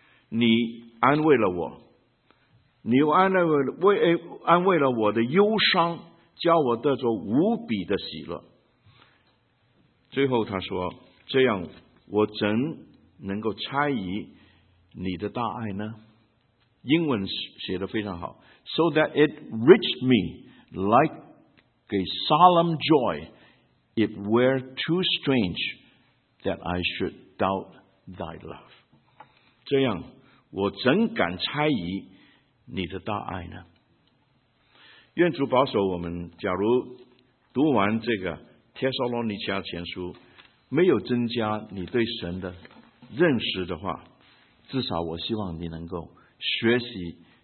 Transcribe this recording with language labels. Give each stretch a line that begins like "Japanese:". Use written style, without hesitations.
Chinese: 你安慰了我，你又安慰了我的忧伤，叫我得着无比的喜乐。最后他说，这样我怎能够猜疑你的大爱呢？英文写得非常好，
English: So that it reached me like a solemn joy, it were too strange that I should doubt thy love.
Chinese: 这样我怎敢猜疑你的大爱呢？愿主保守我们，假如读完这个帖撒罗尼迦前书没有增加你对神的认识的话，至少我希望你能够学习